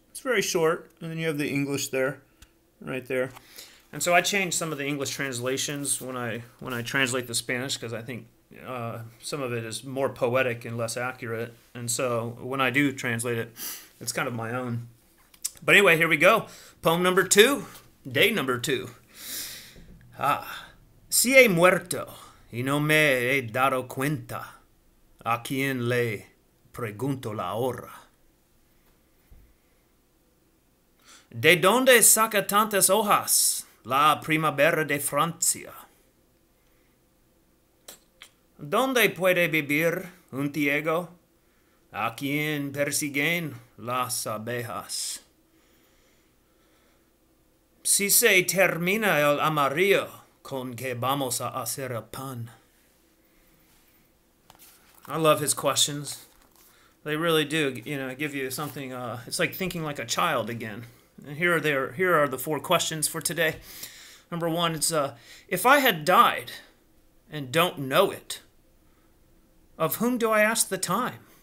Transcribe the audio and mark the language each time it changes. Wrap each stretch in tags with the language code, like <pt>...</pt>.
<en>It's very short, and then you have the English there, right there. And so I changed some of the English translations when I translate the Spanish, because I think some of it is more poetic and less accurate. And so when I do translate it, it's kind of my own. But anyway, here we go. Poem number two, day number two.</en> <es>Ah, si he muerto y no me he dado cuenta, a quien le pregunto la hora. ¿De dónde saca tantas hojas la primavera de Francia? ¿Dónde puede vivir un ciego a quien persiguen las abejas? Si se termina el amarillo, con que vamos a hacer el pan.</es> <en>I love his questions. They really do, you know, give you something. It's like thinking like a child again. And here are the four questions for today. Number one, it's if I had died and don't know it, of whom do I ask the time?</en>